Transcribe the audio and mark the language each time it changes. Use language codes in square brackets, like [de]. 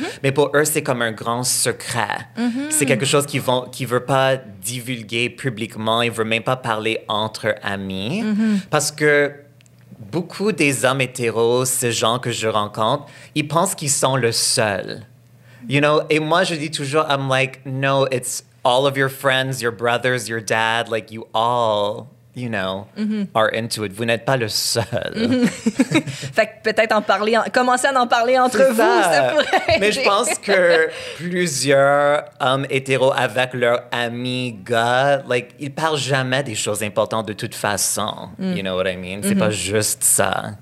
[fr] Mais pour eux c'est comme un grand secret. C'est quelque chose qu'ils vont qu'ils veulent pas divulguer publiquement, ils veulent même pas parler entre amis parce que beaucoup des hommes hétéros, ces gens que je rencontre, ils pensent qu'ils sont le seul. [en] You know, [fr] et moi je dis toujours [en] I'm like no, it's all of your friends, your brothers, your dad, like you all, you know, are into it. [fr] Vous n'êtes pas le seul. Fait que peut-être en parler, commencer à en parler entre c'est vous, ça, ça pourrait aider. Mais je pense que plusieurs hommes hétéros avec leurs amis gars, like, ils parlent jamais des choses importantes de toute façon. [en] You know what I mean? [fr] C'est pas juste ça.